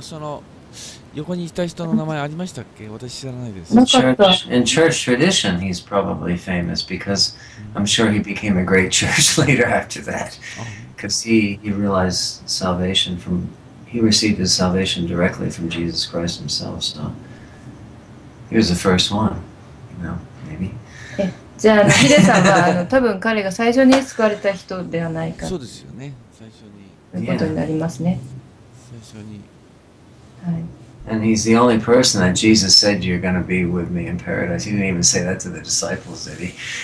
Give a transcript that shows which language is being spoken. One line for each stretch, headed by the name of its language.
Japanese: その横にいた人の名前ありましたっけ？私知らないです。
English: Church, in church tradition, he's probably famous because I'm sure he became a great church leader after that. Because he realized salvation from... He received his salvation directly from Jesus Christ himself. So he was the first one, you know, maybe.
Japanese: じゃあ、ヒデさんは多分彼が最初に救われた人ではないか。そうですよね。最初に。ということになりますね。最初に。はい。
English: And he's the only person that Jesus said, you're going to be with me in paradise. He didn't even say that to the disciples, did he?